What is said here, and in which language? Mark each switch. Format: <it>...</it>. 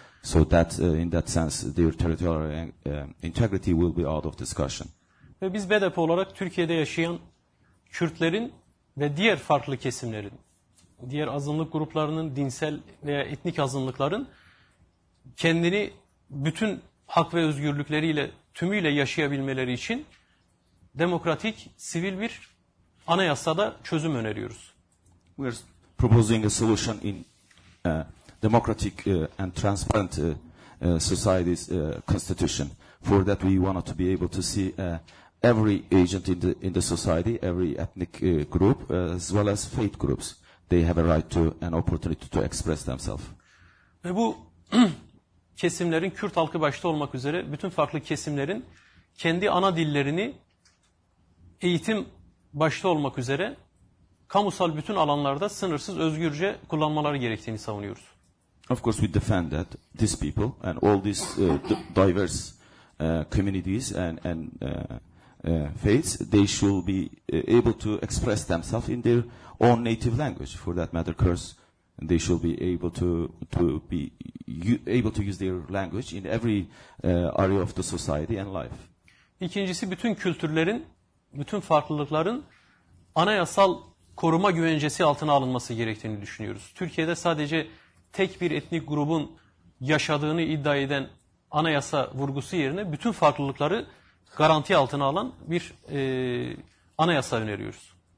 <en>So that in that sense, their territorial integrity will be out of discussion.</en> <tr>Ve biz BEDEP olarak Türkiye'de yaşayan Kürtlerin ve diğer farklı kesimlerin, diğer azınlık gruplarının, dinsel veya etnik azınlıkların kendini bütün hak ve özgürlükleriyle, tümüyle yaşayabilmeleri için demokratik, sivil bir anayasada çözüm öneriyoruz.</tr> <en>We are proposing a solution in democratic and transparent societies constitution. For that we wanted to be able to see every agent in the society, every ethnic group as well as faith groups. They have a right to an opportunity to express themselves.</en> <tr>Ve bu kesimlerin, Kürt halkı başta olmak üzere bütün farklı kesimlerin kendi ana dillerini eğitim başta olmak üzere kamusal bütün alanlarda sınırsız özgürce kullanmaları gerektiğini savunuyoruz.</tr> <en>Of course we defend that these people and all these diverse communities and faiths, they should be able to express themselves in their own native language. For that matter, Kurds, they should be able to use their language in every area of the society and life.</en> <tr>İkincisi, bütün kültürlerin, bütün farklılıkların anayasal koruma güvencesi altına alınması gerektiğini düşünüyoruz. Türkiye'de sadece tek bir etnik grubun yaşadığını iddia eden anayasa vurgusu yerine bütün farklılıkları garanti altına alan bir anayasa öneriyoruz.</tr>